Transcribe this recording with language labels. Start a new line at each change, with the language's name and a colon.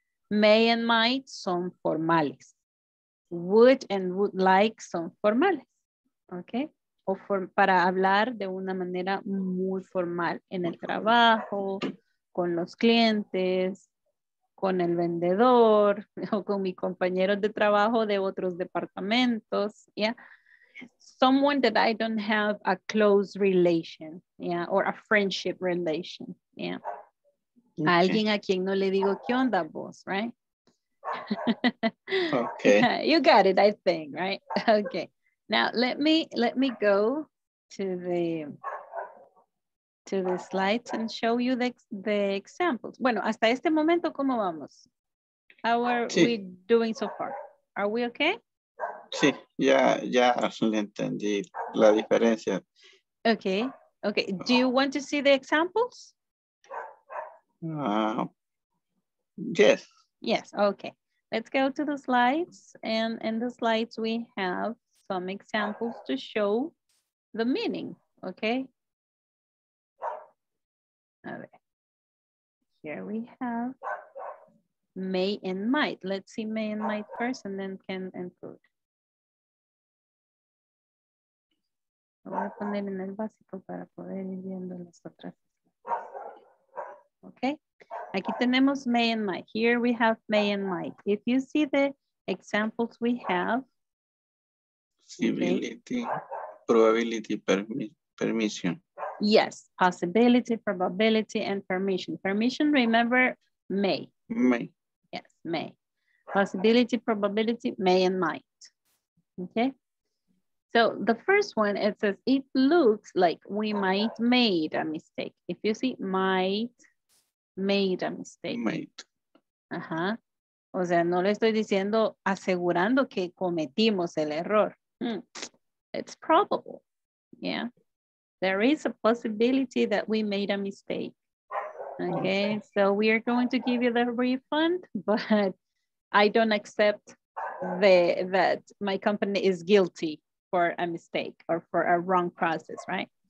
Spanish: May and might son formales. Would and would like son formales, okay? O para hablar de una manera muy formal en el trabajo, con los clientes, con el vendedor, o con mis compañeros de trabajo de otros departamentos, yeah?
English: Someone that I don't have a close relation, yeah, or a friendship relation, yeah.
Spanish: Okay. Alguien a quien no le digo qué onda vos, right?
English: Okay. You got it, I think, right? Okay. Now let me go to the slides and show you the examples.
Spanish: Bueno, hasta este momento, ¿cómo vamos?
English: How are we doing so far? Are we okay?
Spanish: Sí, ya le entendí la diferencia.
English: Okay, okay. Do you want to see the examples? Yes. Yes, okay. Let's go to the slides, and in the slides we have some examples to show the meaning, okay? Okay. Here we have may and might. Let's see may and might first, and then can and could.
Spanish: Voy a poner en el básico para poder ir viendo las otras.
English: Okay.
Spanish: Aquí tenemos
English: may and might. Here we have may and might. If you see the examples we have. Possibility, okay. Probability, permission. Yes, possibility, probability, and permission. Permission, remember, may. May. Yes, may. Possibility, probability, may and might. Okay. So the first one, it says, it looks like we might made a mistake. If you see might, made a mistake. Might. Ajá.
Spanish: O sea, no le estoy diciendo, asegurando que cometimos el error.
English: It's probable. Yeah. There is a possibility that we made a mistake. Okay. So we are going to give you the refund, but I don't accept that my company is guilty for a mistake or for a wrong process, right?